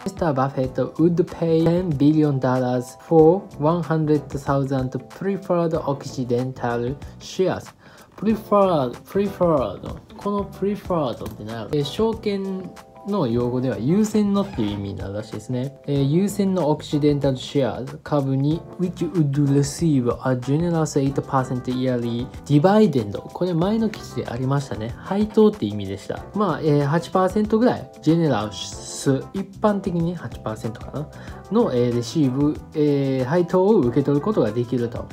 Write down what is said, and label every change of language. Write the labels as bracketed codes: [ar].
[en] Mr. Buffett would pay $10 billion for 100,000 preferred Occidental sharesPreferred [ja] この preferred って何やろ、証券の用語では優先のっていう意味なのらしいですね。優先のオクシデンタルシェア株に [en] which would receive a generous 8% yearly dividend、 [ja] これ前の記事でありましたね。配当って意味でした。まあ、8% ぐらい、ジェネラス、一般的に 8% かなの、レシーブ、配当を受け取ることができると。